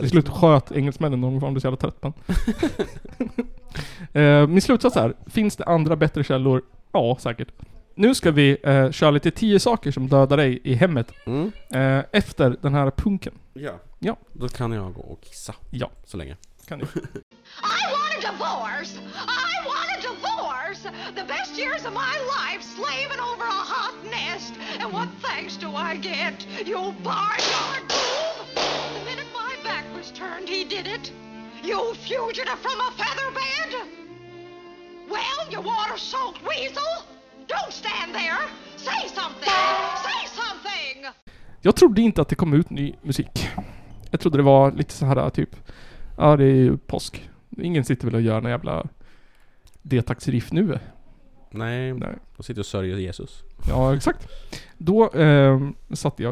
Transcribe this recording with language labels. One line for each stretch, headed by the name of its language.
Swedish: Till slut sköt engelsmännen någon gång, de blev så jävla trött. Min slutsats är, finns det andra bättre källor? Ja, säkert. Nu ska vi köra lite 10 saker som dödar dig i hemmet efter den här punken. Ja. Ja. Då kan jag gå och kissa. Ja. Så länge. Kan du.
English: I want a divorce! I want a divorce! The best years of my life slaving over a hot nest. And what thanks do I get? You barnyard fool! The minute my back was turned, he did it. You fugitive from a feather bed! Well, you water-soaked weasel! Don't stand there. Say something. Say something.
Swedish: Jag trodde inte att det kom ut ny musik. Jag trodde det var lite så här typ, ja, det är ju påsk. Ingen sitter väl och gör någon jävla detaxriff nu. Nej. Då sitter och sörjer Jesus. Ja, exakt. Då satt jag.